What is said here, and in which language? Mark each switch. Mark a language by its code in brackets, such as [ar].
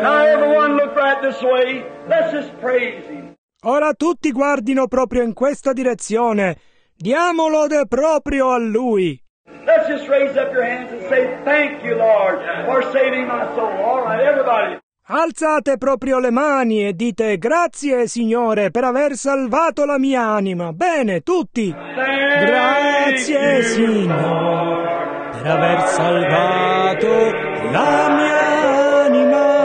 [en] Now everyone look right this way, let's just praise Him. [it] Ora tutti guardino proprio in questa direzione, diamo lode proprio a Lui. [en] Let's just raise up your hands and say thank you Lord for saving my soul. All right, everybody. [it] Alzate proprio le mani e dite grazie Signore per aver salvato la mia anima. Bene, tutti. Grazie Signore per aver salvato la mia anima.